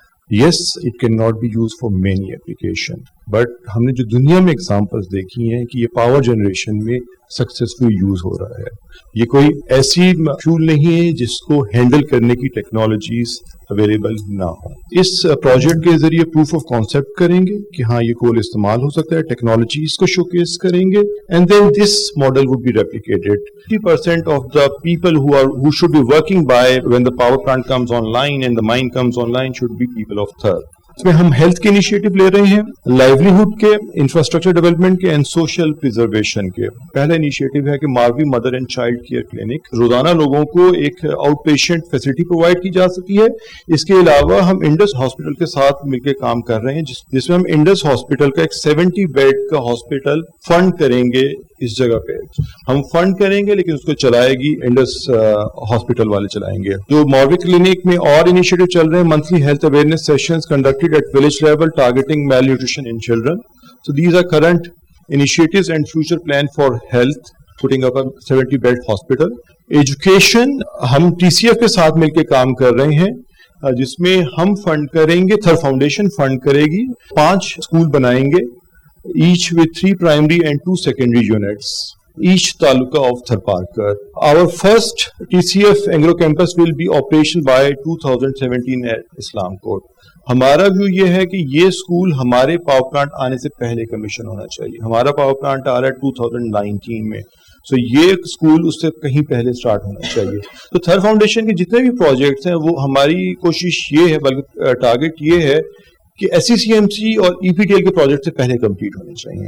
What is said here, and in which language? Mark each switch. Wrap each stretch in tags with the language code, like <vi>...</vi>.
<en>yes, it can not be use for many application,</en> <ur>but ہم نے جو دنیا میں ایگزامپلس دیکھی ہیں کہ یہ پاور جنریشن میں سکسیزفلی یوز ہو رہا ہے. یہ کوئی ایسی فیول نہیں ہے جس کو ہینڈل کرنے کی ٹیکنالوجیز اویلیبل نہ ہو. اس پروجیکٹ کے ذریعے پروف آف کانسیپٹ کریں گے کہ ہاں یہ کول استعمال ہو سکتا ہے, ٹیکنالوجیز کو شو کیس کریں گے,</ur> <en>And then this model would be replicated. 50% of the people who should be working by when the power plant comes on line and the mine comes on line should be people of Thar.</en> <ur>اس میں ہم health کے initiative لے رہے ہیں, لائیولی hood کے, infrastructure development کے, and social preservation کے. پہلا انیشیٹو ہے کہ Marvi mother and child care clinic, روزانہ لوگوں کو ایک آؤٹ پیشنٹ فیسلٹی پرووائڈ کی جا سکتی ہے. اس کے علاوہ ہم انڈس ہاسپٹل کے ساتھ مل کے کام کر رہے ہیں, جس میں ہم انڈس ہاسپٹل کا ایک 70-bed کا ہاسپٹل فنڈ کریں گے. اس جگہ پہ ہم فنڈ کریں گے لیکن اس کو چلائے گی انڈس ہاسپٹل والے چلائیں گے. جو ماروی کلینک میں اور انیشیٹو چل رہے ہیں,</ur> <en>Monthly health awareness sessions conducted at village level targeting malnutrition in children. So these are current initiatives and future plan for health, putting up a 70-bed hospital.</en> <ur>Education, ہم T C F کے ساتھ مل کے کام کر رہے ہیں, جس میں ہم فنڈ کریں گے, تھر فاؤنڈیشن فنڈ کرے گی, 5 اسکول بنائیں گے,</ur> <en>each with 3 primary and 2 secondary units, each taluka of Tharparkar. Our first TCF Angro campus will be operational by 2017 at Islamcourt.</en> <ur>ہمارا ویو یہ ہے کہ یہ اسکول ہمارے پاور پلانٹ آنے سے پہلے کمیشن ہونا چاہیے. ہمارا پاور پلانٹ آ رہا ہے 2019 میں, سو یہ اسکول اس سے کہیں پہلے اسٹارٹ ہونا چاہیے. تو تھر فاؤنڈیشن کے جتنے بھی پروجیکٹس ہیں وہ ہماری کوشش یہ ہے, بلکہ ٹارگیٹ یہ ہے کہ S C C M C اور ای پی ٹی ایل کے پروجیکٹ سے پہلے کمپلیٹ ہونے چاہیے.</ur>